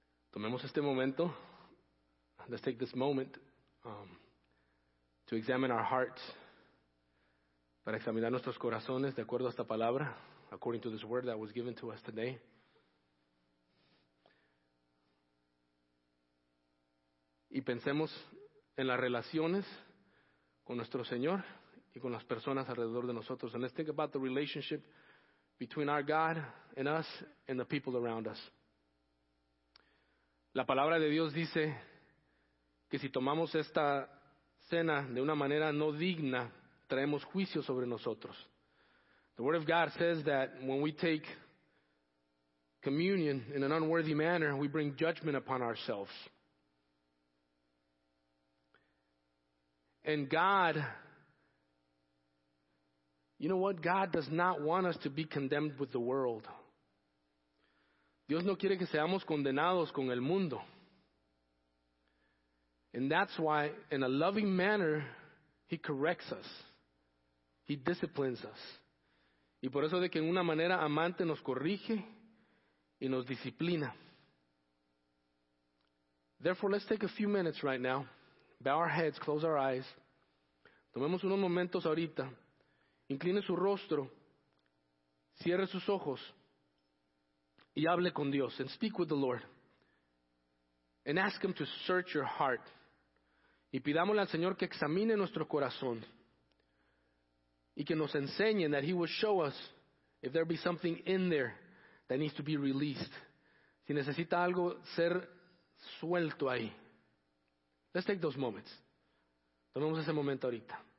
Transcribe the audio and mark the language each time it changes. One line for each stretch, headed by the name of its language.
Spanish: Tomemos este momento.
English: Let's take this moment to examine our hearts.
Spanish: Para examinar nuestros corazones de acuerdo a esta palabra,
English: according to this word that was given to us today.
Spanish: Y pensemos en las relaciones con nuestro Señor y con las personas alrededor de nosotros.
English: And let's think about the relationship between our God and us and the people around us.
Spanish: La palabra de Dios dice que si tomamos esta cena de una manera no digna, traemos juicio sobre nosotros.
English: The Word of God says that when we take communion in an unworthy manner, we bring judgment upon ourselves. And God, you know what? God does not want us to be condemned with the world.
Spanish: Dios no quiere que seamos condenados con el mundo.
English: And that's why, in a loving manner, he corrects us. He disciplines us.
Spanish: Y por eso de que en una manera amante nos corrige y nos disciplina.
English: Therefore, let's take a few minutes right now. Bow our heads, close our eyes.
Spanish: Tomemos unos momentos ahorita. Incline su rostro. Cierre sus ojos. Y hable con Dios.
English: And speak with the Lord. And ask Him to search your heart.
Spanish: Y pidámosle al Señor que examine nuestro corazón. Y que nos enseñe,
English: that He will show us if there be something in there that needs to be released.
Spanish: Si necesita algo ser suelto ahí.
English: Let's take those moments.
Spanish: Tomemos ese momento ahorita.